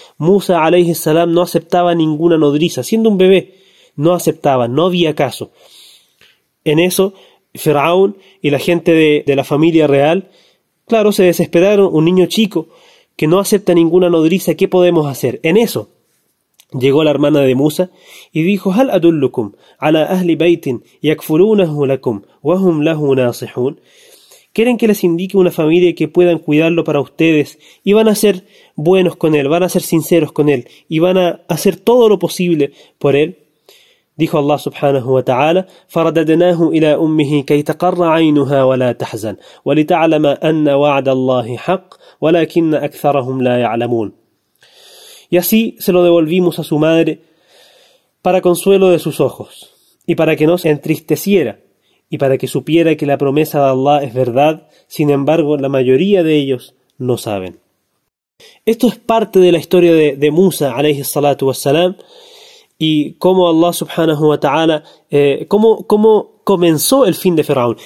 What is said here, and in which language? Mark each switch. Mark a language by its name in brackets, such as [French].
[Spanish] Musa alayhi salam no aceptaba ninguna nodriza, siendo un bebé, no aceptaba, no había caso. En eso, Fir'aun y la gente de la familia real, claro, se desesperaron, un niño chico que no acepta ninguna nodriza, ¿qué podemos hacer? En eso, llegó la hermana de Musa y dijo, [Arabic] هَلْ أَدُلُّكُمْ عَلَىٰ أَهْلِ بَيْتٍ يَكْفُرُونَهُ لَكُمْ وَهُمْ لَهُ نَاصِحُونَ. [Spanish] ¿Quieren que les indique una familia que puedan cuidarlo para ustedes y van a ser buenos con él, van a ser sinceros con él y van a hacer todo lo posible por él? Dijo [Arabic] Allah subhanahu wa ta'ala, فَرَدَدْنَاهُ إِلَىٰ أُمِّهِ كَيْ تَقَرَّ عَيْنُهَا وَلَا تَحْزَنْ وَلِتَعْلَمَ أَنَّ وَعْدَ اللَّهِ حَقٍّ وَلَكِنَّ أَكْثَرَهُمْ لَا يَعْلَمُونَ. [Spanish] Y así se lo devolvimos a su madre para consuelo de sus ojos y para que no se entristeciera y para que supiera que la promesa de Allah es verdad. Sin embargo, la mayoría de ellos no saben. Esto es parte de la historia de Musa alayhi salatu wassalam y cómo Allah subhanahu wa ta'ala, cómo comenzó el fin de Faraón.